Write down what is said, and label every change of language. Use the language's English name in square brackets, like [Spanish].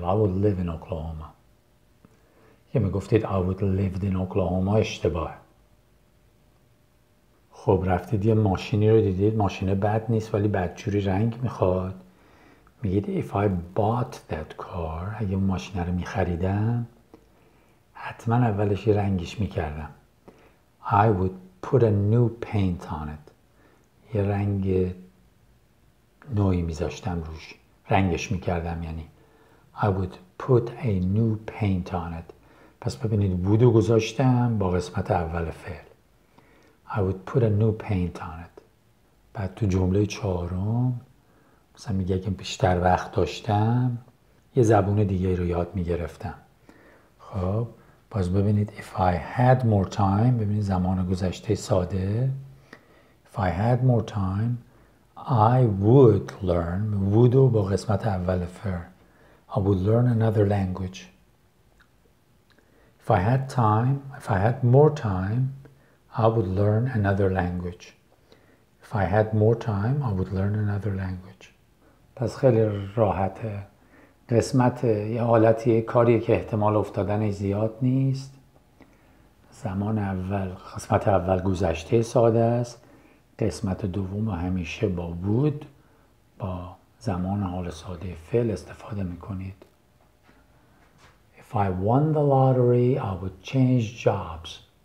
[English] I would live in Oklahoma. [Persian] یه میگفتید [English] I would live in Oklahoma [Persian] اشتباه. خب رفتید یه ماشینی رو دیدید، ماشین بد نیست ولی بدجوری رنگ میخواد. میگید [English] If I bought that car، [Persian] اگه اون ماشین رو میخریدم، حتما اولش رنگش میکردم. [English] I would put a new paint on it. [Persian] یه رنگ نوعی میذاشتم روش، رنگش میکردم. یعنی [English] I would put a new paint on it. [Persian] پس ببینید بودو گذاشتم با قسمت اول فعل. [English] I would put a new paint on it. [Persian] بعد تو جمله چهارم مثلا میگه اگه بیشتر وقت داشتم یه زبون دیگه رو یاد میگرفتم. خب باز ببینید [English] If I had more time، [Persian] ببینید زمان گذشته ساده. [English] If I had more time I would learn، would [Persian] با قسمت اول فعل، [English] I would learn another language. If I had time، if I had more time I would learn another language. If I had more time I would learn another language. [Persian] پس خیلی راحته. قسمت یه حالتی کاری که احتمال افتادنش زیاد نیست. زمان اول، قسمت اول گذشته ساده است. قسمت دوم همیشه با بود، با زمان حال ساده فعل استفاده میکنید. [English] If I won the lottery, I would change jobs.